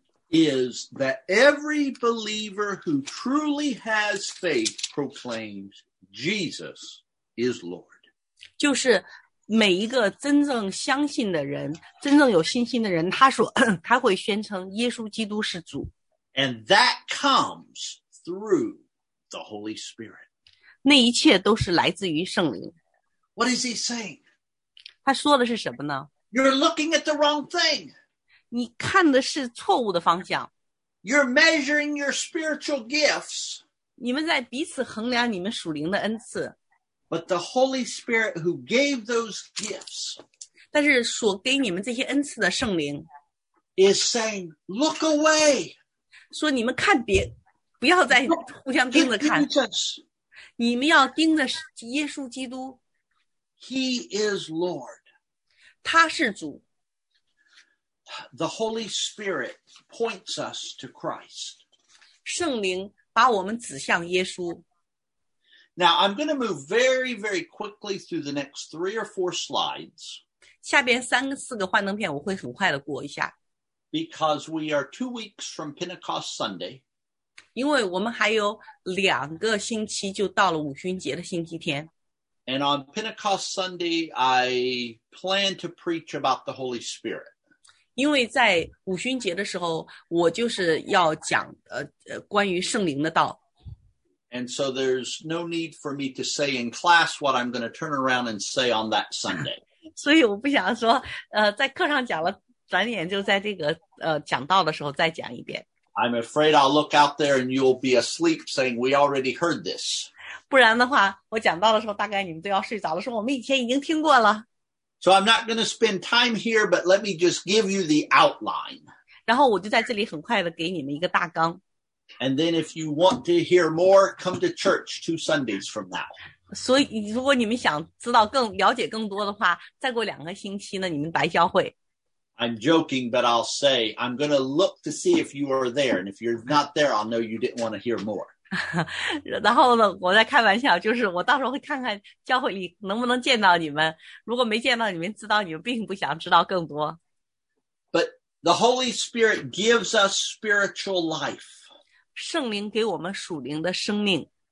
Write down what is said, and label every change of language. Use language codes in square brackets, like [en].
[en] is that every believer who truly has faith proclaims Jesus is Lord. [zh] 就是每一个真正相信的人，真正有信心的人，他说他会宣称耶稣基督是主。 [en] And that comes through the Holy Spirit. [zh] 那一切都是来自于圣灵。 [en] What is he saying? [zh] 他说的是什么呢？ [en] You're looking at the wrong thing. [zh] 你看的是错误的方向。 [en] You're measuring your spiritual gifts. [zh] 你们在彼此衡量你们属灵的恩赐。 [en] But the Holy Spirit who gave those gifts, [zh] 但是所给你们这些恩赐的圣灵 [en] is saying, look away. [zh] 说你们看别，不要再互相盯着看。你们要盯着耶稣基督。 [en] He is Lord. [zh] 他是主。 [en] The Holy Spirit points us to Christ. [zh] 圣灵把我们指向耶稣。 [en] Now, I'm going to move very, very quickly through the next three or four slides. [zh] 下边三个四个幻灯片我会很快的过一下。 [en] Because we are 2 weeks from Pentecost Sunday. [zh] 因为我们还有两个星期就到了五旬节的星期天。 [en] And on Pentecost Sunday, I plan to preach about the Holy Spirit. [zh] 因为在五旬节的时候，我就是要讲关于圣灵的道。 [en] And so there's no need for me to say in class what I'm going to turn around and say on that Sunday. [zh] 所以我不想说在课上讲了转眼就在这个讲道的时候再讲一遍。 [en] I'm afraid I'll look out there and you'll be asleep saying we already heard this. [zh] 不然的话我讲道的时候大概你们都要睡着了说我们以前已经听过了。 [en] So I'm not going to spend time here, but let me just give you the outline. [zh] 然后我就在这里很快的给你们一个大纲。 [en] And then if you want to hear more, come to church 2 Sundays from now. [zh] 所以如果你们想知道更了解更多的话再过两个星期呢你们白教会。 [en] I'm joking, but I'll say, I'm going to look to see if you are there. And if you're not there, I'll know you didn't want to hear more. [zh] 然后呢我在开玩笑就是我到时候会看看教会里能不能见到你们。如果没见到你们知道你们并不想知道更多。 [en] But the Holy Spirit gives us spiritual life. [zh] 圣灵给我们属灵的生命。